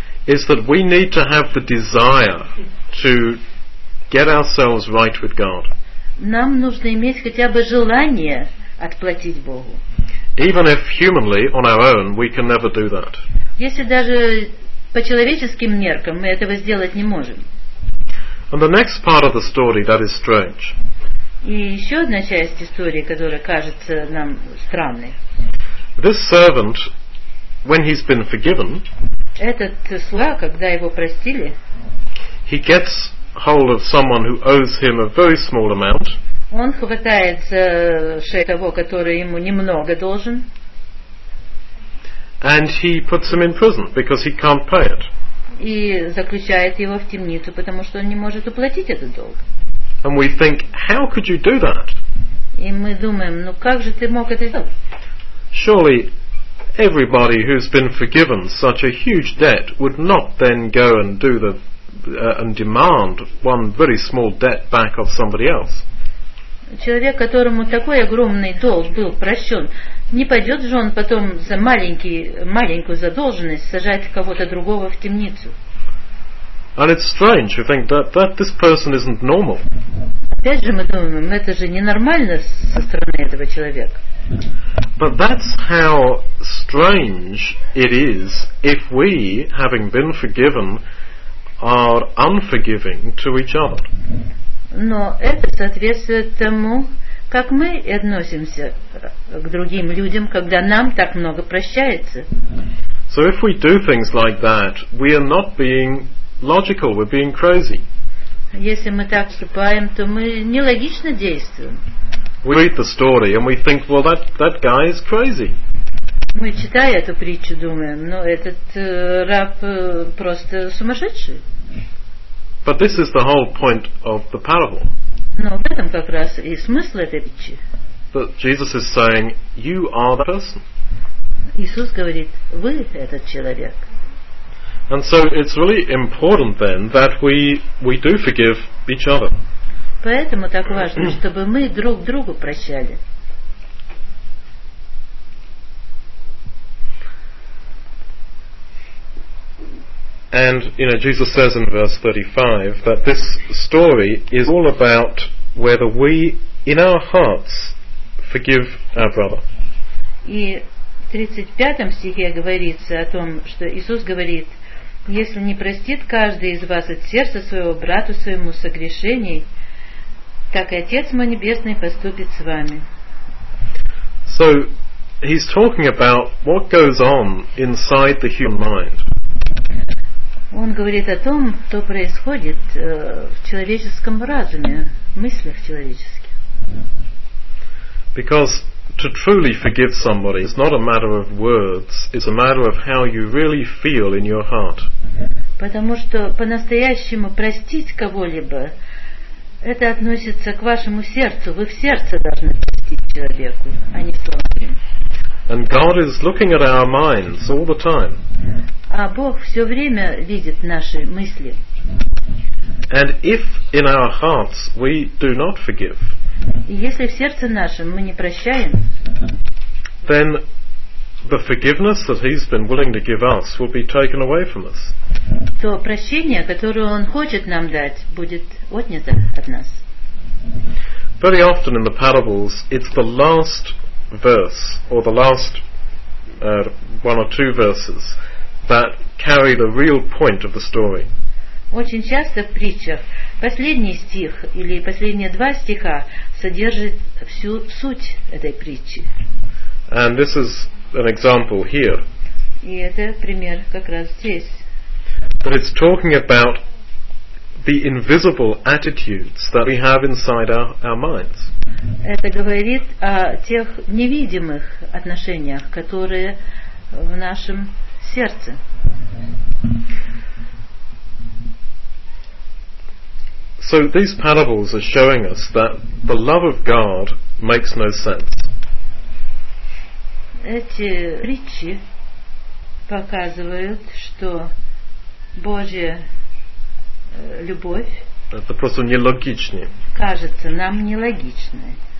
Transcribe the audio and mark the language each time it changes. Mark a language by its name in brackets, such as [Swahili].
[English] Is that we need to have the desire to get ourselves right with God. [Russian] Нам нужно иметь хотя бы желание отплатить Богу. [English] Even if humanly, on our own, we can never do that. [Russian] Если даже по человеческим меркам мы этого сделать не можем. [English] And the next part of the story that is strange. [Russian] И еще одна часть истории, которая кажется нам странной. [English] This servant, when he's been forgiven, [Russian] этот слуга, когда его простили, [English] he gets hold of someone who owes him a very small amount. [Russian] Он хватает за шею того, который ему немного должен. [English] And he puts him in prison because he can't pay it. [Russian] И заключает его в темницу, потому что он не может уплатить этот долг. [English] And we think, how could you do that? [Russian] И мы думаем, ну как же ты мог это сделать? [English] Surely everybody who's been forgiven such a huge debt would not then go and do the and demand one very small debt back of somebody else. [Russian] Человек, которому такой огромный долг был прощен, не пойдет же он потом за маленькую задолженность сажать кого-то другого в темницу. [English] And it's strange, you think that this person isn't normal. [Russian] Опять же мы думаем, это же ненормально со стороны этого человека. [English] But that's how strange it is if we, having been forgiven, are unforgiving to each other. [Russian] Но это соответствует тому, как мы относимся к другим людям, когда нам так много прощается. [English] So if we do things like that, we are not being logical, we're being crazy. [Russian] Если мы так поступаем, то мы нелогично действуем. [English] We read the story and we think, well, that guy is crazy. [Russian] Мы читая эту притчу, думаем, но этот раб просто сумасшедший. [English] But this is the whole point of the parable. [Russian] Но в этом как раз и смысл этой притчи. [English] That Jesus is saying, you are the person. [Russian] Иисус говорит, вы этот человек. [English] And so it's really important then that we do forgive each other. [Russian] Поэтому так важно, чтобы мы друг другу прощали. [English] And you know, Jesus says in verse 35 that this story is all about whether we, in our hearts, forgive our brother. [Russian] И в 35 стихе говорится о том, что Иисус говорит, если не простит каждый из вас от сердца своего брату своему согрешений, так и Отец мой небесный поступит с вами. [English] So he's talking about what goes on inside the human mind. [Russian] Он говорит о том, что происходит в человеческом разуме, в мыслях человеческих. [English] Because to truly forgive somebody is not a matter of words, it's a matter of how you really feel in your heart. [Russian] Потому что по-настоящему простить кого-либо, это относится к вашему сердцу. Вы в сердце должны простить человеку, а не словами. [English] And God is looking at our minds all the time. [Russian] А Бог все время видит наши мысли. [English] And if in our hearts we do not forgive, [Russian] и если в сердце нашем мы не прощаем, [English] then the forgiveness that He's been willing to give us will be taken away from us. [Russian] То прощение, которое Он хочет нам дать, будет отнято от нас. [English] Very often in the parables, it's the last verse or the last one or two verses that carry the real point of the story. [Russian] Очень часто в притчах последний стих или последние два стиха содержат всю суть этой притчи. [English] And this is an example here. [Russian] И это пример как раз здесь. [English] But it's talking about the invisible attitudes that we have inside our minds. [Russian] Это говорит о тех невидимых отношениях, которые в нашем сердце. [English] So these parables are showing us that the love of God makes no sense. [Russian] Эти притчи показывают, что Божья любовь, это просто нелогичнее. Кажется нам нелогичной.